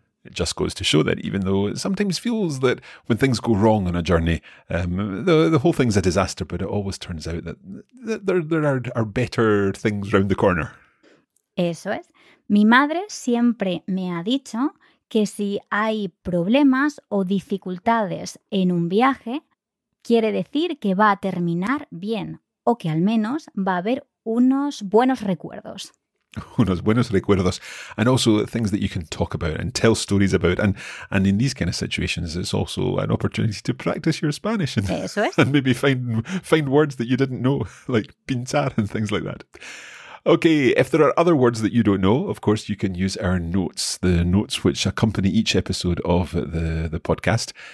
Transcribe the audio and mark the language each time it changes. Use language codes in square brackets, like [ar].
[en] Just goes to show that even though it sometimes feels that when things go wrong on a journey, the whole thing's a disaster, but it always turns out that there are better things around the corner. [es] Eso es. Mi madre siempre me ha dicho que si hay problemas o dificultades en un viaje, quiere decir que va a terminar bien o que al menos va a haber unos buenos recuerdos. Unos buenos recuerdos, [en] and also things that you can talk about and tell stories about, and in these kind of situations, it's also an opportunity to practice your Spanish and maybe find words that you didn't know, like pintar and things like that. Okay, if there are other words that you don't know, of course, you can use our notes, the notes which accompany each episode of the podcast.